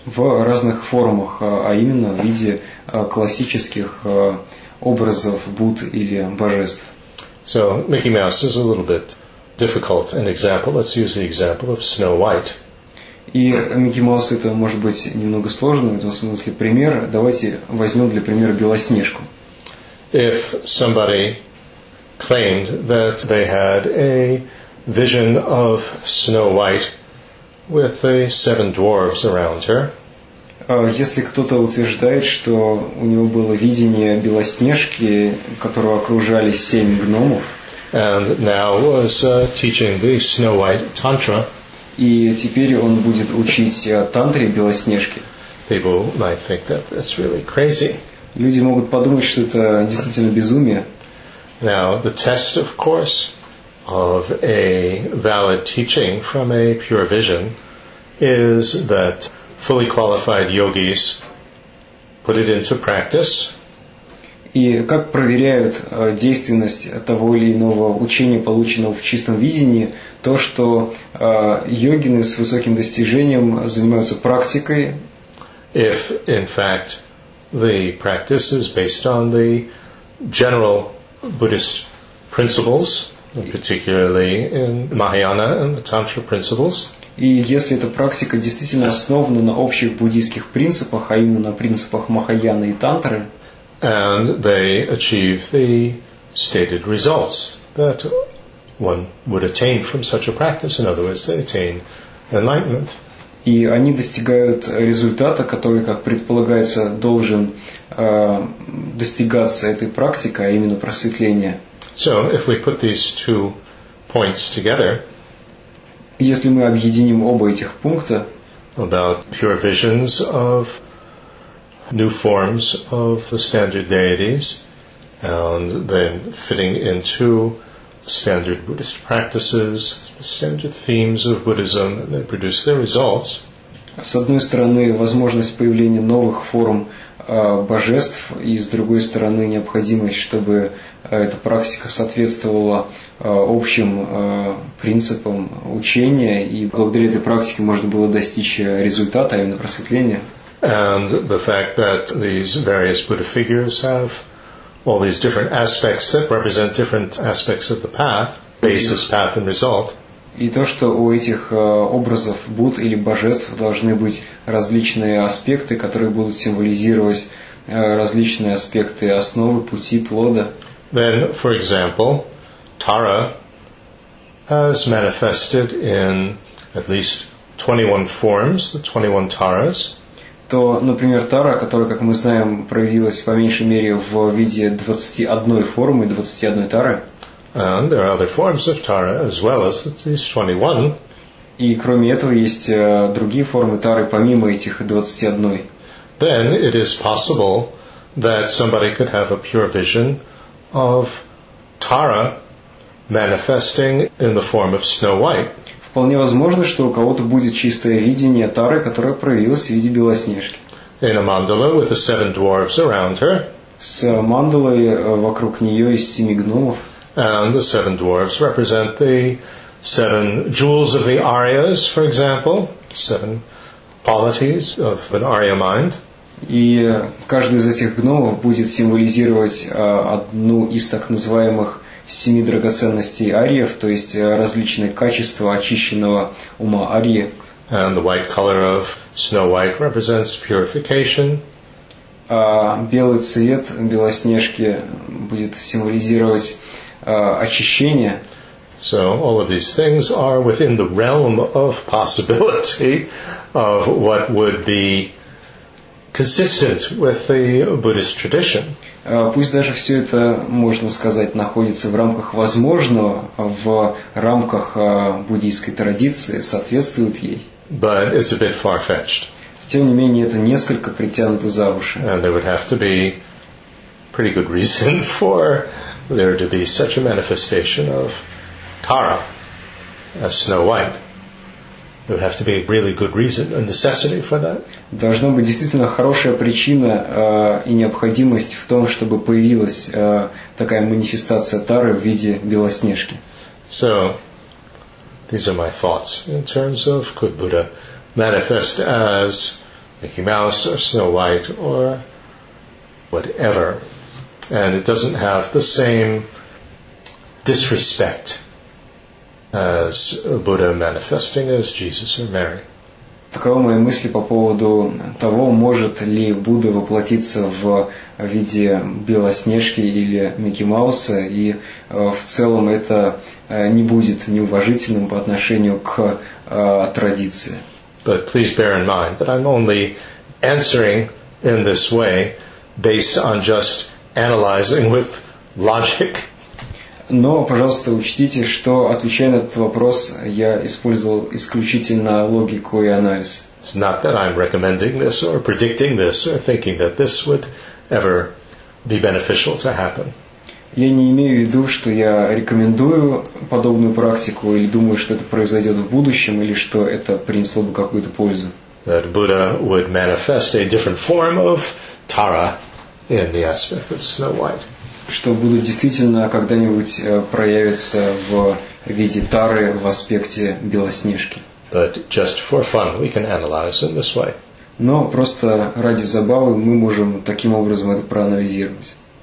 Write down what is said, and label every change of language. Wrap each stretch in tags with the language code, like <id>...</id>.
<ru>В разных формах, а именно в виде классических образов Будд или божеств.</ru> <en>So Mickey Mouse is a little bit difficult an example. Let's use the example of Snow White.</en> <ru>И Микки Маус это может быть немного сложно в этом смысле пример. Давайте возьмем для примера Белоснежку.</ru> <en>If somebody claimed that they had a vision of Snow White with the seven dwarves around her.</en> <ru>Если кто-то утверждает, что у него было видение Белоснежки, которого окружали семь гномов,</ru> <en>and now was teaching the Snow White tantra,</en> <ru>и теперь он будет учить тантре Белоснежки,</ru> <en>people might think that that's really crazy.</en> <ru>Люди могут подумать, что это действительно безумие.</ru> <en>Now, the test, of course, of a valid teaching from a pure vision is that fully qualified yogis put it into practice.</en> <ru>И как проверяют действенность того или иного учения, полученного в чистом видении, то, что йогины с высоким достижением занимаются практикой.</ru> <en>If, in fact, the practice is based on the general Buddhist principles, particularly in Mahayana and the Tantra principles.</en> <ru>И если эта практика действительно основана на общих буддийских принципах, а именно на принципах Махаяны и Тантры,</ru> <en>and they achieve the stated results that one would attain from such a practice, in other words, they attain enlightenment.</en> <ru>И они достигают результата, который, как предполагается, должен достигаться этой практикой, а именно просветления.</ru> <en>So, if we put these two points together,</en> <ru>если мы объединим оба этих пункта,</ru> <en>about pure visions of new forms of the standard deities, and then fitting into standard Buddhist practices, standard themes of Buddhism, and they produce their results.</en> <ru>С одной стороны, возможность появления новых форм божеств, и с другой стороны, необходимость, чтобы эта практика соответствовала общим принципам учения, и благодаря этой практике можно было достичь результата, а именно просветления.</ru> <en>And the fact that these various Buddha figures have all these different aspects that represent different aspects of the path, basis, path, and result.</en> <ru>И то, что у этих образов Будд или божеств должны быть различные аспекты, которые будут символизировать различные аспекты основы, пути, плода.</ru> <en>Then, for example, Tara has manifested in at least 21 forms, the 21 Taras.</en> <ru>То, например, Тара, которая, как мы знаем, проявилась по меньшей мере в виде 21 формы, 21 Тары.</ru> <en>And there are other forms of Tara as well as these 21.</en> <ru>И кроме этого есть другие формы Тары, помимо этих 21.</ru> <en>Then it is possible that somebody could have a pure vision of Tara manifesting in the form of Snow White.</en> <ru>Вполне возможно, что у кого-то будет чистое видение Тары, которое проявилось в виде Белоснежки.</ru> <en>In a mandala with the seven dwarves around her.</en> <ru>С мандалой вокруг нее из семи гномов.</ru> <en>And the seven dwarves represent the seven jewels of the Aryas, for example, seven qualities of an Arya mind.</en> <ru>И каждый из этих гномов будет символизировать одну из так называемых семи драгоценностей ариев, то есть различные качества очищенного ума арии.</ru> <en>And the white color of Snow White represents purification.</en> <ru>А белый цвет Белоснежки будет символизировать очищение.</ru> <en>So all of these things are within the realm of possibility of what would be consistent with the Buddhist tradition.</en> <ru>Пусть даже все это, можно сказать, находится в рамках возможного, в рамках буддийской традиции, соответствует ей.</ru> <en>But it's a bit far-fetched.</en> <ru>Тем не менее, это несколько притянуто за уши.</ru> <en>And there would have to be pretty good reason for there to be such a manifestation of Tara as Snow White. There would have to be a really good reason, a necessity for that.</en> <ru>Должна быть действительно хорошая причина и необходимость в том, чтобы появилась такая манифестация Тары в виде Белоснежки.</ru> <en>So, these are my thoughts in terms of could Buddha manifest as Mickey Mouse or Snow White or whatever. And it doesn't have the same disrespect as Buddha manifesting as Jesus or Mary.</en> <ru>Такова моя мысль по поводу того, может ли Будда воплотиться в виде Белоснежки или Микки Мауса, и в целом это не будет неуважительным по отношению к традиции.</ru> <en>But please bear in mind that I'm only answering in this way based on just analyzing with logic.</en> <ru>Но, пожалуйста, учтите, что, отвечая на этот вопрос, я использовал исключительно логику и анализ.</ru> <en>It's not that I'm recommending this or predicting this or thinking that this would ever be beneficial to happen.</en> <ru>Я не имею в виду, что я рекомендую подобную практику или думаю, что это произойдет в будущем или что это принесло бы какую-то пользу.</ru> <en>That Buddha would manifest a different form of Tara in the aspect of Snow White.</en> <ru>Что Будда действительно когда-нибудь проявится в виде Тары в аспекте Белоснежки.</ru> <en>But just for fun, we can analyze in this way.</en> <ru>Но просто ради забавы мы можем таким образом это проанализировать.</ru>